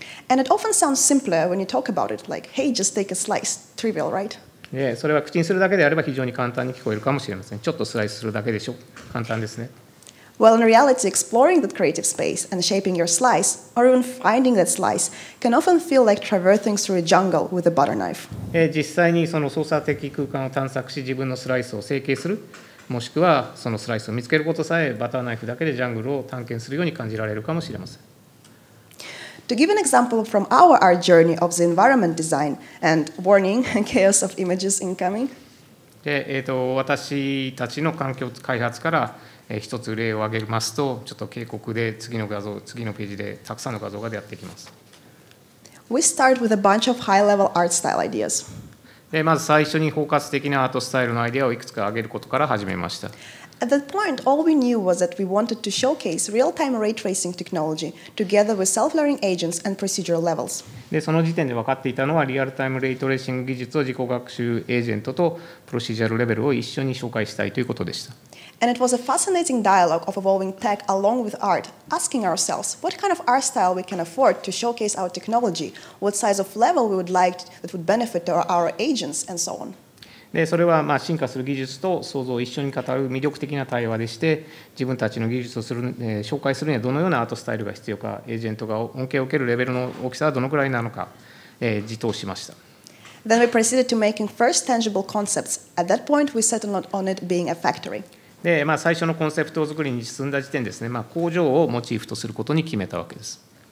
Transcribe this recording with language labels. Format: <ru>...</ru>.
<en>And it often sounds simpler when you talk about it, like, hey, just take a slice. Trivial, right?</en> <ja>Yeah, それは口にするだけであれば非常に簡単に聞こえるかもしれません。ちょっとスライスするだけでしょう。簡単ですね。</ja> <en>Well, in reality, exploring that creative space and shaping your slice, or even finding that slice, can often feel like traversing through a jungle with a butter knife.</en> <ja>実際にその操作的空間を探索し、自分のスライスを成形する。もしくはそのスライスを見つけることさえバターナイフだけでジャングルを探検するように感じられるかもしれません。</ja> <en>To give an example from our art journey of the environment design and warning chaos of images incoming.</en> <ja>で、私たちの環境開発から一つ例を挙げますと、ちょっと警告で次の画像、次のページでたくさんの画像が出てきます。</ja> <en>We start with a bunch of high-level art style ideas.</en> <ja>でまず最初に包括的なアートスタイルのアイデアをいくつか挙げることから始めました。</ja> <en>At that point, all we knew was that we wanted to showcase real-time ray tracing technology together with self-learning agents and procedural levels.</en> <ja>でその時点で分かっていたのは、リアルタイムレイトレーシング技術を自己学習エージェントとプロシージャルレベルを一緒に紹介したいということでした。</ja> <en>And it was a fascinating dialogue of evolving tech along with art, asking ourselves what kind of art style we can afford to showcase our technology, what size of level we would like that would benefit our agents, and so on.</en> <ja>で、それはまあ進化する技術と創造を一緒に語る魅力的な対話でして、自分たちの技術をする、紹介するにはどのようなアートスタイルが必要か、エージェントが恩恵を受けるレベルの大きさはどのくらいなのか、自答しました。</ja> <en>Then we proceeded to making first tangible concepts. At that point, we settled on it being a factory.</en> <ja>でまあ、最初のコンセプト作りに進んだ時点ですね、まあ、工場をモチーフとすることに決めたわけです。</ja>